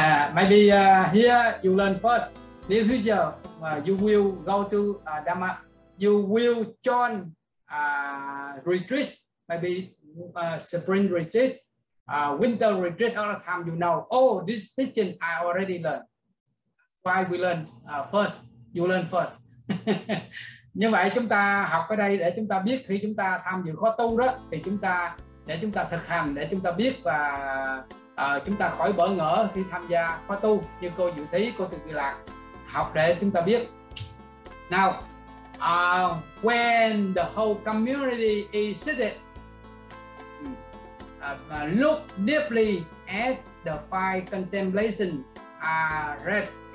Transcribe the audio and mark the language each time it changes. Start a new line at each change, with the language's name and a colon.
English: maybe here you learn first. Near future, you will go to Dharma. You will join retreats, maybe spring retreat, winter retreat. All the time you know, oh, this teaching I already learned. Why we learn first? You learn first.
Vietnamese: Như vậy chúng ta học ở đây để chúng ta biết khi chúng ta tham dự khóa tu đó thì chúng ta để chúng ta thực hành, để chúng ta biết và chúng ta khỏi bỡ ngỡ khi tham gia khóa tu như cô Dự Thí, cô Từ Kỳ Lạc học để chúng ta biết.
English: Now, when the whole community is seated, look deeply at the five contemplations read.